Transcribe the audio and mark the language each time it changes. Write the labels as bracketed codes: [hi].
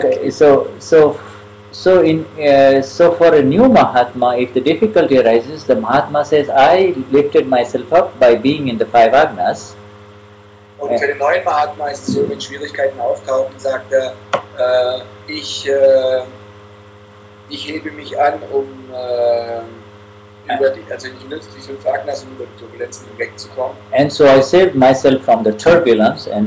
[en] So for a new Mahatma, if the difficulty arises, the Mahatma says, I lifted myself up by being in the five Agnas. [de] Und für den neuen Mahatma ist es so, wenn Schwierigkeiten auftauchen, sagt er, ich hebe mich an, ich nutze die fünf Agnas, um über die Turbulenzen hinwegzukommen. [en] And so I saved myself from the turbulence